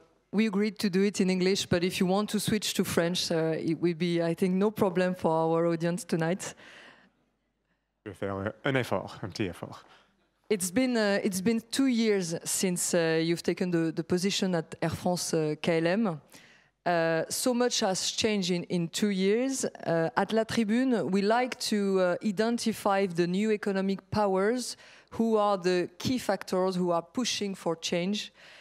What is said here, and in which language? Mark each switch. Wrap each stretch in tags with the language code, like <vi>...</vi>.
<en>We agreed to do it in English, but if you want to switch to French, it would be, I think, no problem for our audience tonight.</en> <fr>Je vais faire un effort, un petit effort.</fr> <en>It's been 2 years since you've taken the position at Air France KLM. So much has changed in 2 years. At La Tribune, we like to identify the new economic powers, who are the key factors who are pushing for change.</en>